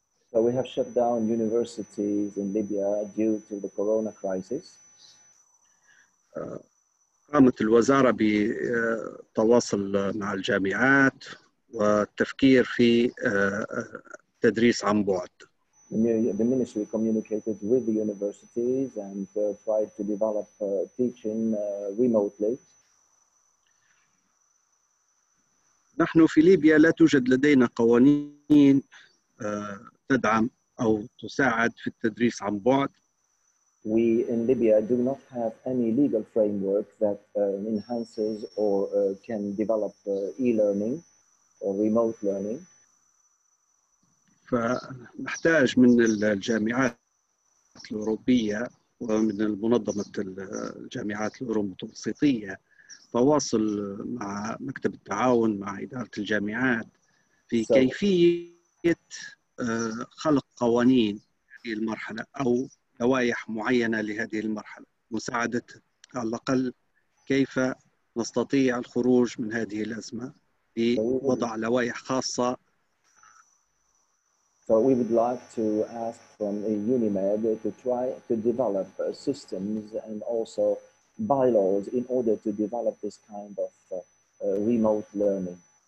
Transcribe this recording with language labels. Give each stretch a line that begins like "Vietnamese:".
English: So we have shut down universities in Libya due to the corona crisis.
Arabic: قامت الوزارة بتواصل مع الجامعات والتفكير في تدريس عن بعد.
English: The ministry communicated with the universities and tried to develop teaching remotely.
Arabic: نحن في ليبيا لا توجد لدينا قوانين تدعم أو تساعد في التدريس عن بعد.
English: We in Libya do not have any legal framework that enhances or can develop e-learning or remote learning.
Arabic: فنحتاج من الجامعات الأوروبية ومن منظمة الجامعات الأورومتوسطية تواصل مع مكتب التعاون مع إدارة الجامعات في كيفية خلق قوانين هذه المرحلة أو لوائح معينة لهذه المرحلة مساعدة على الأقل كيف نستطيع الخروج من هذه الأزمة بوضع لوائح خاصة.
English: So we would like to ask from UNIMED to try to develop systems and also bylaws in order to develop this kind of remote learning.